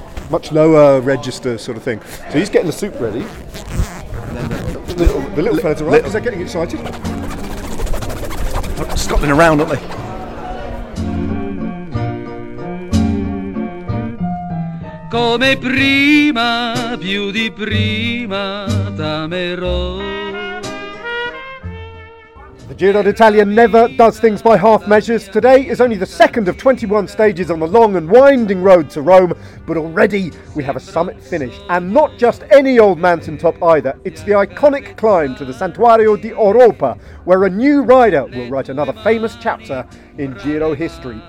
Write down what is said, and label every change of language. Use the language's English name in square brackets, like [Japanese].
[English] Much lower register sort of thing. So he's getting the soup ready. The little fellas are right, because they're getting excited. They're scuttling around, aren't they? [Italian] Come prima, più di prima, t'amerò. [English] The Giro d'Italia never does things by half measures. Today is only the second of 21 stages on the long and winding road to Rome, but already we have a summit finish, and not just any old mountaintop either. It's the iconic climb to the Santuario di Europa, where a new rider will write another famous chapter in Giro history.